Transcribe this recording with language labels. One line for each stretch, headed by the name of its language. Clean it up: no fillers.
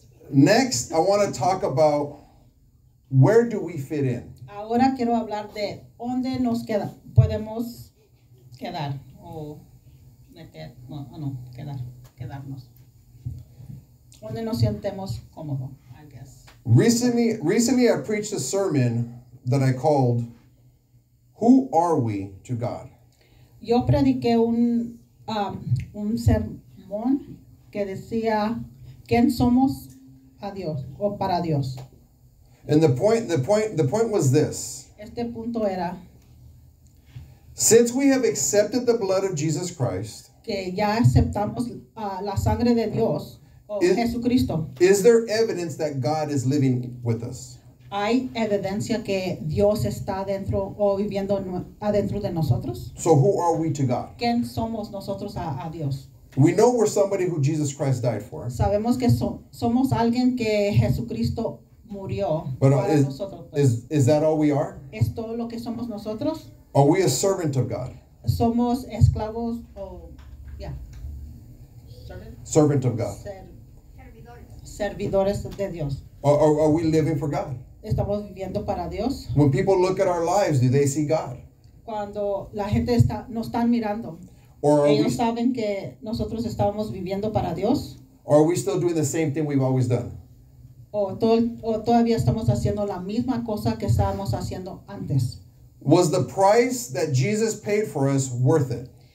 English: Next, I want to talk about where do we fit in.
Spanish: Ahora quiero hablar de dónde nos queda, podemos quedar o meter, no, quedar, quedarnos. Donde nos sentemos cómodo,
English: I guess. Recently, I preached a sermon that I called, "Who Are We to God?"
Spanish: Yo prediqué un sermón que decía, ¿quién somos a Dios o para Dios?
English: And the point was this.
Spanish: Este punto era.
English: Since we have accepted the blood of Jesus Christ,
Spanish: que ya aceptamos la sangre de Dios, Jesucristo.
English: Is there evidence that God is living with us?
Spanish: ¿Hay evidencia que Dios está dentro o viviendo adentro de nosotros?
English: So who are we to God?
Spanish: ¿Quién somos nosotros a Dios?
English: We know we're somebody who Jesus Christ died for.
Spanish: Sabemos que somos alguien que Jesucristo murió
English: but
Spanish: para
English: is,
Spanish: nosotros.
English: Pues. Is that all we are?
Spanish: ¿Es todo lo que somos nosotros?
English: Are we a servant of God?
Spanish: Somos esclavos o
English: servant of God.
Spanish: Servidores de Dios.
English: Are we living for God?
Spanish: Estamos viviendo para Dios.
English: When people look at our lives, do they see God?
Spanish: Cuando la gente está, nos están mirando.
English: Or
Spanish: ellos
English: we,
Spanish: saben que nosotros estamos viviendo para Dios.
English: Or are we still doing the same thing we've always done?
Spanish: O todavía estamos haciendo la misma cosa que estábamos haciendo antes.
English: Was the price that Jesus paid for us worth it?